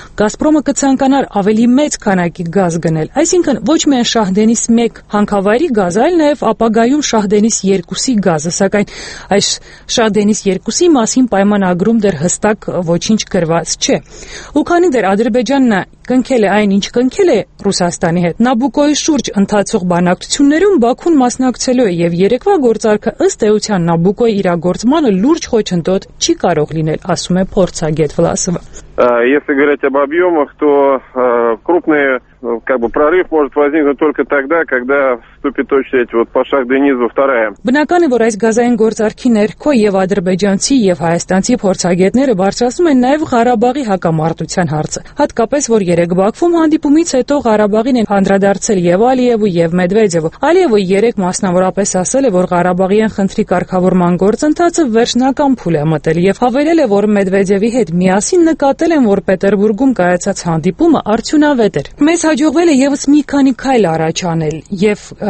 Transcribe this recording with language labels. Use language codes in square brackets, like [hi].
[hy] Գազպրոմը կցանկանար ավելի մեծ քանակի գազ գնել, այսինքն ոչ միայն Շահդենիս 1 հանքավայրի գազ, այլ նաև ապագայում Շահդենիս 2-ի գազը, սակայն այս Շահդենիս 2-ի մասին պայմանագրում դեռ հստակ ոչինչ գրված չէ։ Ու քանի դեռ Ադրբեջանն կնքել է այն, ինչ կնքել է Ռուսաստանի հետ, Նաբուկոյի շուրջ ընթացող բանակցություններում Բաքուն մասնակցելու է, եւ երեկվա գործարքը ըստ էության Նաբուկոյի իրագործմանը լուրջ խոչընդոտ չի կարող լինել, ասում է փորձագետ Վլասովը։ [ru] Если говорить об объемах, то крупный как бы прорыв может возникнуть только тогда, когда вступит очередь вот по Шах-Денизу вторая. [hy] Բնական է, որ այս գազային գործարքի ներքո եւ ադրբեջանցի եւ հայաստանցի փորձագետները բարձրացում են նաեւ Ղարաբաղի հակամարտության հարցը։ Հատկապես որ երեկ Բաքվում հանդիպումից հետո Ղարաբաղին են հանդրադարձել եւ Ալիևը եւ Մեդվեդևը։ Ալիևը երեկ մասնավորապես ասել է, որ Ղարաբաղյան խնդրի կարգավորման գործընթացը վերջնական փուլ է մտել եւ հավելել է, որ Մեդվեդևի հետ միասին նկատել են, որ Պետերբուրգում կայացած հանդիպումը արդյունավետ էր։ Մեզ հաջողվել է եւս մի քանի քայլ առաջանել եւ